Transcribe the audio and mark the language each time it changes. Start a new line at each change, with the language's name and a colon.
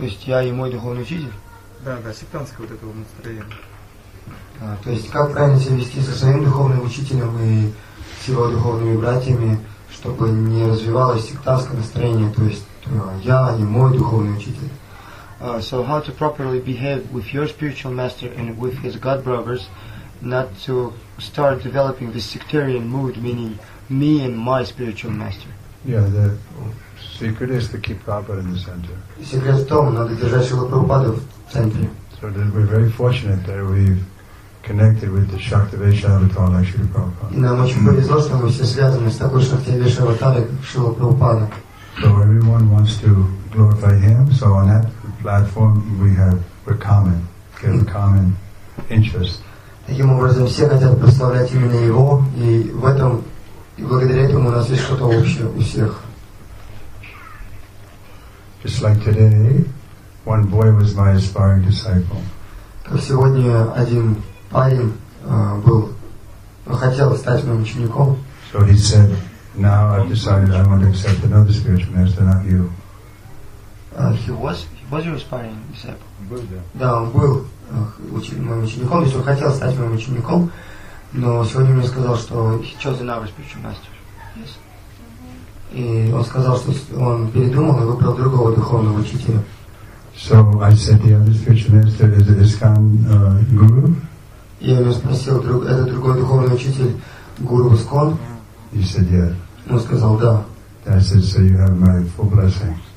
Russian: То есть я и мой духовный учитель? Да, да, сектантское вот это умонастроение. То есть как правильно себя вести со своим духовным учителем и с его духовными братьями, чтобы не развивалось сектантское настроение, то есть я и мой духовный учитель.
English: So how to properly behave with your spiritual master and with his god brothers, not to start developing this sectarian mood, meaning me and my spiritual master. Yeah, the secret is to keep Prabhupada in the center.
Russian: Секрет в том, надо держать Шрилу Прабхупаду в центре.
English: So that we're very fortunate that we've connected with the Shaktivesha Avatar like Shri Prabhupada.
Russian: И нам очень повезло, что мы все связаны с такой Шактивеша Аватар, как Шрила Прабхупада.
English: So everyone wants to glorify him, so on that platform we have a common interest.
Russian: Таким образом, все хотят прославлять именно его, и в этом, и благодаря этому у нас есть что-то общее у всех.
English: Just like today, one boy was my aspiring disciple.
Russian: Как сегодня один парень хотел стать моим учеником.
English: So he said, now I've decided I want to accept another spiritual master, not you. He was your aspiring disciple.
Russian: Да, он был моим учеником, если он хотел стать моим учеником, но сегодня мне сказал, что
English: he chose another spiritual master. Yes.
Russian: И он сказал, что он передумал и выбрал другого духовного учителя.
English: So I said the other spiritual master is ISKCON Guru.
Russian: И я спросил, это другой духовный учитель Гуру ISKCON?
English: He said yes.
Russian: Он сказал да.
English: I said, so you have my full blessing.